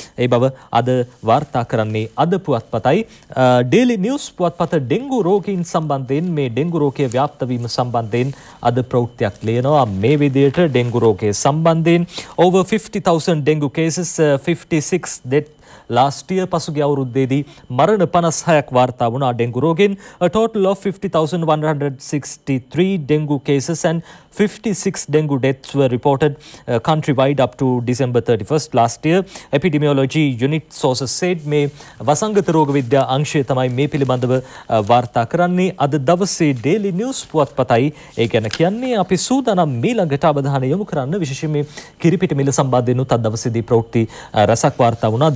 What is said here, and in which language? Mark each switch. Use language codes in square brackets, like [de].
[si] ඒ බව අද වාර්තා කරන්නේ අද පුවත්පතයි. ඩේලි නිවුස් පුවත්පත ඩෙංගු රෝගීන් සම්බන්ධයෙන් මේ ඩෙංගු රෝගයේ ව්‍යාප්ත වීම සම්බන්ධයෙන් අද ප්‍රවෘත්තියක් ලියනවා. මේ විදිහට ඩෙංගු රෝගයේ සම්බන්ධයෙන් [en] over 50,000 dengue cases 56 death last year [si] පසුගිය අවුරුද්දේදී මරණ 56ක් වාර්තා වුණා dengue රෝගෙන්. [en] A total of 50,163 dengue cases and 56 dengue deaths were reported countrywide up to December 31st last year. Epidemiology unit sources said [si] මේ වසංගත රෝග විද්‍යා අංශය තමයි මේ පිළිබඳව වාර්තා කරන්නේ. අද දවසේ ඩේලි නිවුස් පුවත්පතයි ඒ ගැන කියන්නේ. අපි සූදානම් මේ ළඟට අවධානය යොමු කරන්න විශේෂයෙන් මේ කිරිපිටි මිල සම්බන්ධයෙන් උත් දවසේදී ප්‍රවෘත්ති රසක් වාර්තා වුණා.